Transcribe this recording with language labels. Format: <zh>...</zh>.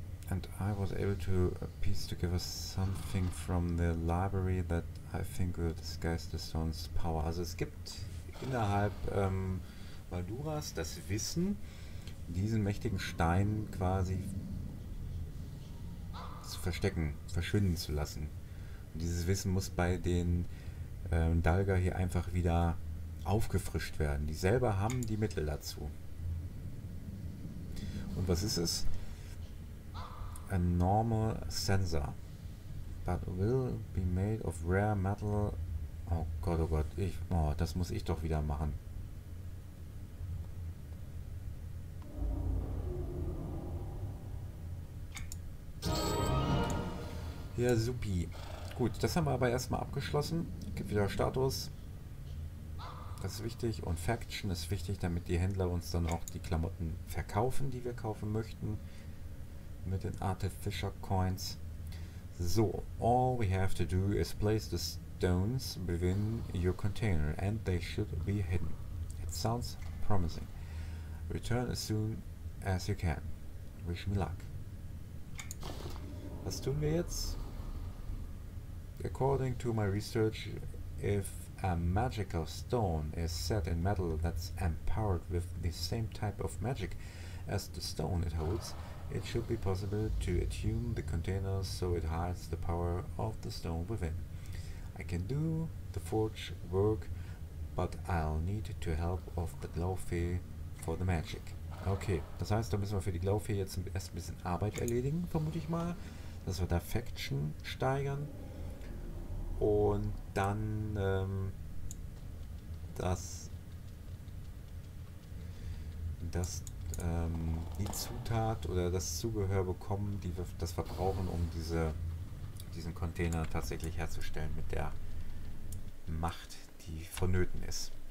<en>And I was able to piece together something from the library that I think will disguise the stone's power.</en> <de>Also es gibt innerhalb Malduras das Wissen, diesen mächtigen Stein quasi zu verstecken, verschwinden zu lassen. Und dieses Wissen muss bei den Dalga hier einfach wieder aufgefrischt werden. Die selber haben die Mittel dazu. Und was ist es?</de> <en>A normal sensor, but will be made of rare metal.</en> <de>Oh Gott, das muss ich doch wieder machen. Ja, supi. Gut, das haben wir aber erstmal abgeschlossen. Gibt wieder Status. Das ist wichtig. Und Faction ist wichtig, damit die Händler uns dann auch die Klamotten verkaufen, die wir kaufen möchten. Mit den Artificial Coins.</de> <en>So, all we have to do is place the stones within your container and they should be hidden. It sounds promising. Return as soon as you can. Wish me luck.</en> <de>Was tun wir jetzt?</de> <en>According to my research, if a magical stone is set in metal that's empowered with the same type of magic as the stone it holds, it should be possible to attune the container so it hides the power of the stone within. I can do the forge work, but I'll need to help of the Glowfee for the magic.</en> <de>Okay, das heißt, da müssen wir für die Glowfee jetzt erst ein bisschen Arbeit erledigen, vermute ich mal. Dass wir da Faction steigern. Und dann die Zutat oder das Zubehör bekommen, das wir brauchen, um diesen Container tatsächlich herzustellen mit der Macht, die vonnöten ist.</de>